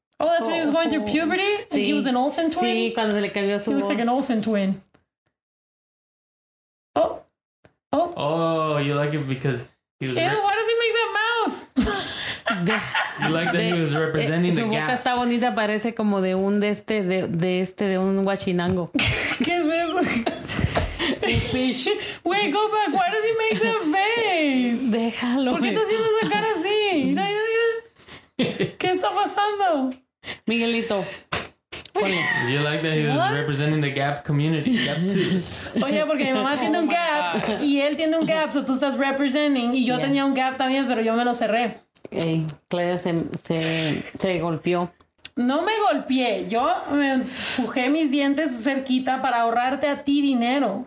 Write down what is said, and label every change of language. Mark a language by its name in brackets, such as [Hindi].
[English] Oh, that's when he was going through puberty? [Spanish] Sí. [English] And he was an Olsen twin? [Spanish] Sí, cuando se le cambió su [English] voz. He looks like an Olsen twin. Oh. Oh. Oh, you like it because he was... Ew, why does he make that mouth? You like that he was representing the gap. [Spanish] Su boca está bonita, parece como de un de un guachinango. ¿Qué es eso? [English] Fish. Wait, go back. Why does he make that face? [Spanish] Déjalo. ¿Por qué está haciendo esa cara así? ¿Qué está pasando? Miguelito. [English] You like that he was representing the gap community. Gap 2. [Spanish] Oye, porque mi mamá tiene un gap y él tiene un gap, so tú estás representing. Y yo tenía un gap también, pero yo me lo cerré. Hey, Claudia se golpeó. No me golpeé. Yo me empujé mis dientes cerquita para ahorrarte a ti dinero.